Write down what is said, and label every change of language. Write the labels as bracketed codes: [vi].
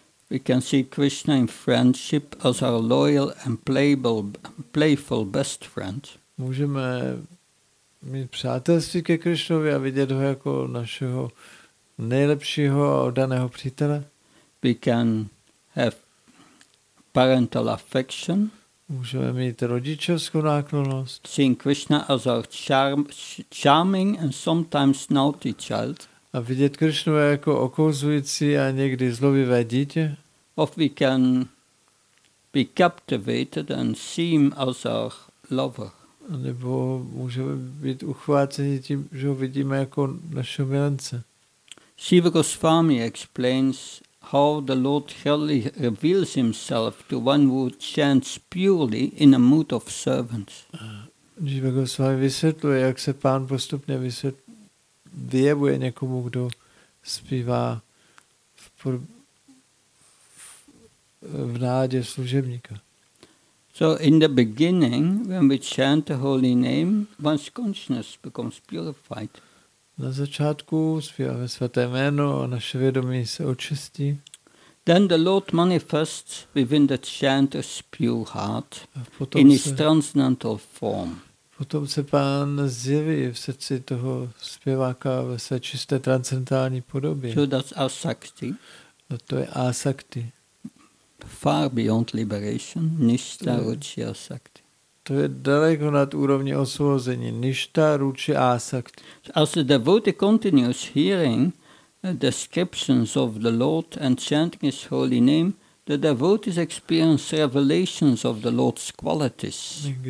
[en] We can see Krishna in friendship as our loyal and playful best friend. [cs] Můžeme mít přátelství ke Krishnovi a vidět ho jako našeho nejlepšího a oddaného přítele. [en] We can have parental affection. [cs] Můžeme mít rodičovskou náklonnost. [en] Seeing Krishna as our charming and sometimes naughty child. [cs] A vidět Krishnu jako okouzující a někdy zlobivé dítě. [en] Or we can be captivated and see him as our lover. [cs] A nebo můžeme být uchváceni tím, že ho vidíme jako našeho milence. [en] Shiva Goswami explains how the Lord Hari reveals himself to one who chants purely in a mood of servants. [cs] Jiva Goswami vysvětluje, jak se pán postupně vyjevuje někomu, kdo zpívá v nádě služebníka. [en] So in the beginning, when we chant the holy name, one's consciousness becomes purified. [cs] Na začátku zpíváme svaté jméno a naše vědomí se očistí. [en] Then the Lord manifests within the chanter's pure heart in his transcendental form. [cs] Potom se pán zjeví v srdci toho zpěváka ve své čisté transcendentální podobě. [en] So that's asakti. [cs] A to je asakti. [en] Far beyond liberation, nishta, ruchi, asakti. [cs] To je daleko nad úrovní osvobození, nishta, ruchi, asakti. [en] As the devotee continues hearing descriptions of the Lord and chanting his holy name, the devotees experience revelations of the Lord's qualities.